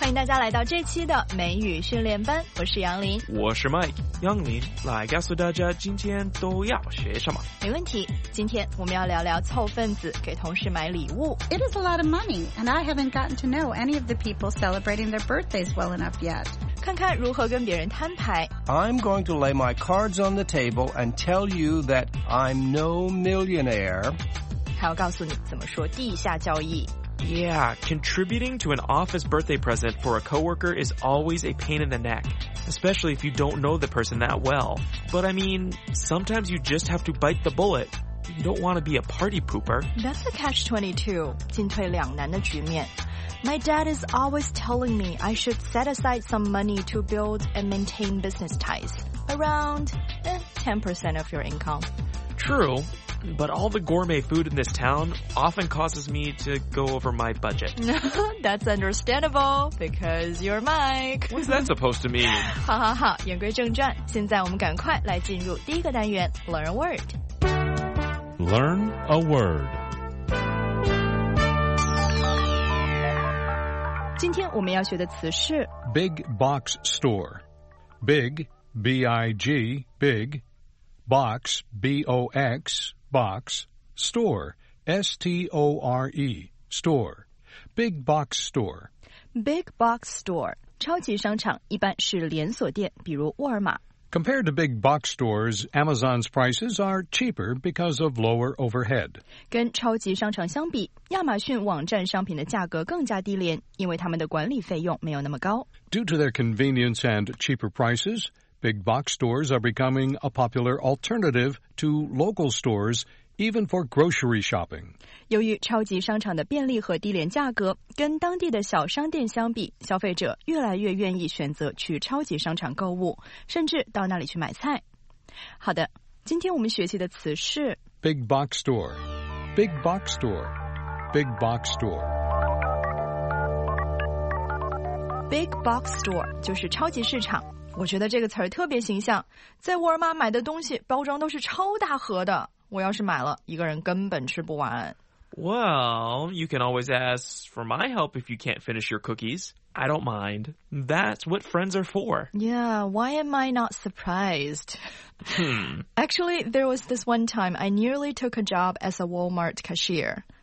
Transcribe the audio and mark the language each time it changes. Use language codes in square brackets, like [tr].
[zh] 家来到这期的美语训练班，我是杨林，我是 Mike。杨林来告诉大家今天都要学什么。没问题，今天我们要聊聊凑份子给同事买礼物。 [en] It is a lot of money and I haven't gotten to know any of the people celebrating their birthdays well enough yet。 [zh] 看看如何跟别人摊牌。 [en] I'm going to lay my cards on the table and tell you that I'm no millionaire。 [zh] 还要告诉你怎么说地下交易。 [en] Yeah, contributing to an office birthday present for a coworker is always a pain in the neck, especially if you don't know the person that well. But I mean, sometimes you just have to bite the bullet. You don't want to be a party pooper. That's a catch-22, [zh] 进退两难的局面。 [en] My dad is always telling me I should set aside some money to build and maintain business ties, around 10% of your income. True. But all the gourmet food in this town often causes me to go over my budget. That's understandable, because you're Mike. What's that supposed to mean? [zh] 好好好，言归正传，现在我们赶快来进入第一个单元 [en] Learn a Word. Learn a Word. [zh] 今天我们要学的词是 [en] Big Box Store. Big, B-I-G, Big, Box, B-O-X,Box, store, S-T-O-R-E, store, big box store. [zh] Big box store, 超级商场一般是连锁店，比如沃尔玛。 [en] Compared to big box stores, Amazon's prices are cheaper because of lower overhead. [zh] 跟超级商场相比，亚马逊网站商品的价格更加低廉，因为他们的管理费用没有那么高。 [en] Due to their convenience and cheaper prices,Big box stores are becoming a popular alternative to local stores, even for grocery shopping. [zh] 由于超级商场的便利和低廉价格，跟当地的小商店相比，消费者越来越愿意选择去超级商场购物，甚至到那里去买菜。好的，今天我们学习的词是 [en] Big box store, big box store, big box store. [zh] Big box store 就是超级市场，我觉得这个词儿特别形象。在沃尔玛买的东西包装都是超大盒的，我要是买了，一个人根本吃不完。 [en] Well, you can always ask for my help if you can't finish your cookies. I don't mind. That's what friends are for. Yeah, why am I not surprised? Actually, there was this one time I nearly took a job as a Walmart cashier.